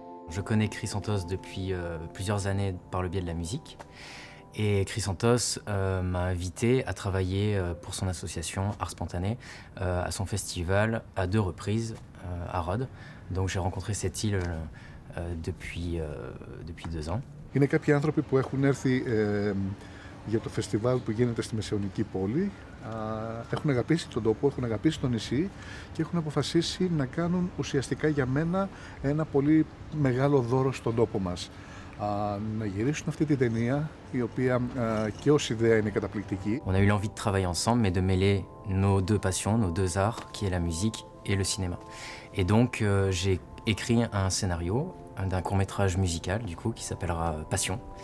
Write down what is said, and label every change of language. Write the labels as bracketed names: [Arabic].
[French] Je connais Chrysantos depuis plusieurs années par le biais de la musique. Et Chrysantos m'a invité à travailler pour son association Art Spontané à son festival à deux reprises à Rhodes. Donc j'ai rencontré cette île depuis deux ans. Il y a quelques gens qui ont été [Greek] για το φεστιβάλ που γίνεται στη Μεσαιωνική πόλη. Έχουν αγαπήσει τον τόπο, έχουν αγαπήσει το νησί και έχουν αποφασίσει να κάνουν ουσιαστικά για μένα ένα πολύ μεγάλο δώρο στον τόπο μας. Να γυρίσουν αυτή την ταινία, η οποία και ως ιδέα είναι καταπληκτική. [French] On a eu l'envie de travailler ensemble, mais de mêler nos deux passions, nos deux arts, qui est la musique et le cinéma. Et donc j'ai écrit un scénario d'un court-métrage musical, du coup, qui s'appellera Passion.